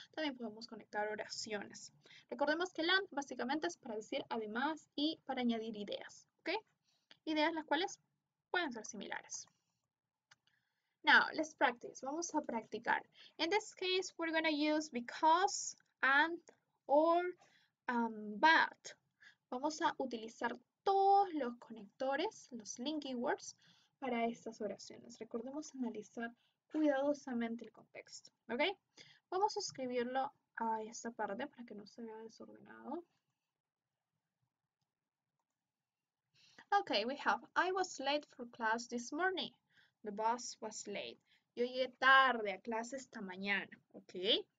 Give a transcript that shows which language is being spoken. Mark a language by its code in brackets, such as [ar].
[es] También podemos conectar oraciones. Recordemos que el and básicamente es para decir además y para añadir ideas. ¿Ok? Ideas las cuales pueden ser similares. [en] Now, let's practice. [es] Vamos a practicar. [en] In this case, we're going to use because, and, or, but. [es] Vamos a utilizar todos los conectores, los linking words, para estas oraciones. Recordemos analizar cuidadosamente el contexto, ¿ok? Vamos a escribirlo a esta parte para que no se vea desordenado. [en] Ok, we have, I was late for class this morning. The bus was late. [es] Yo llegué tarde a clase esta mañana, ¿ok?